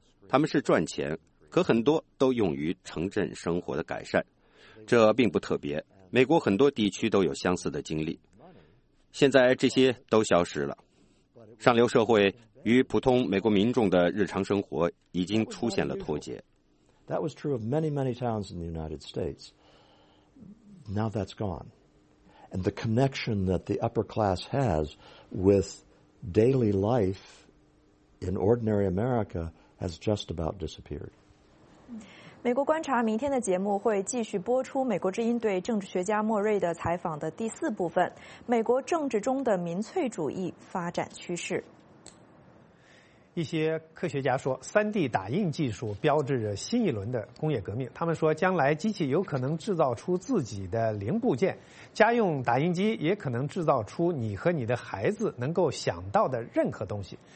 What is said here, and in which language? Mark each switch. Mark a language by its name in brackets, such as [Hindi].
[Chinese] 他们是赚钱，可很多都用于城镇生活的改善，这并不特别，美国很多地区都有相似的经历。现在这些都消失了，上流社会与普通美国民众的日常生活已经出现了脱节。 [English] That was true of many, many towns in the United States. Now that's gone. And the connection that the upper class has with daily life in ordinary America has just about disappeared. [Chinese] 美国观察明天的节目会继续播出美国之音对政治学家莫瑞的采访的第四部分，美国政治中的民粹主义发展趋势。一些科学家说 3D 打印技术标志着新一轮的工业革命，他们说将来机器有可能制造出自己的零部件，家用打印机也可能制造出你和你的孩子能够想到的任何东西。